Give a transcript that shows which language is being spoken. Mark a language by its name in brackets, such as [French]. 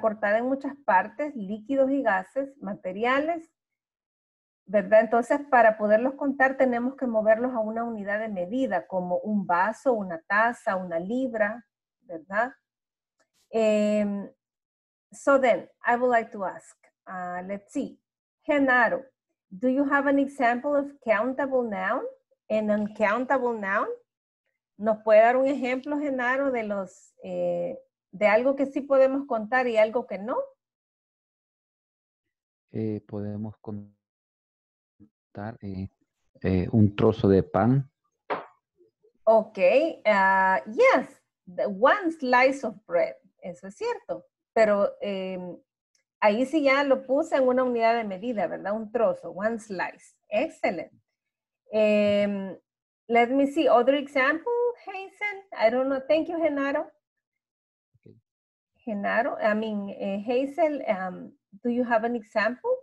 [Spanish] Cortada en muchas partes, líquidos y gases, materiales, ¿verdad? Entonces, para poderlos contar, tenemos que moverlos a una unidad de medida, como un vaso, una taza, una libra, ¿verdad? [English] So then, I would like to ask, let's see. Genaro, do you have an example of countable noun and uncountable noun? [Spanish] ¿Nos puede dar un ejemplo, Genaro, de los de algo que sí podemos contar y algo que no? Podemos contar. Un trozo de pan. [English] Okay, yes, one slice of bread, [Spanish] eso es cierto, pero ahí sí ya lo puse en una unidad de medida, ¿verdad? Un trozo, [English] one slice, excellent. Let me see, other example, Hazen, I don't know, thank you, Genaro. Genaro, I mean, Hazel, do you have an example?